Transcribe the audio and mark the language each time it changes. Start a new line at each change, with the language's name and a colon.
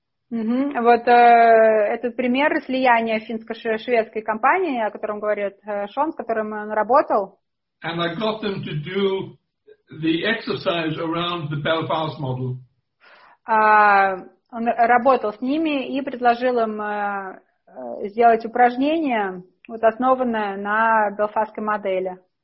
Russian: Вот этот пример слияния финско-шведской компании, о котором говорит Шон, с которым он работал.
English: And I got them to do the exercise around the Belfast model.
Russian: Он работал с ними и предложил им сделать упражнение, вот основанное на белфастской модели.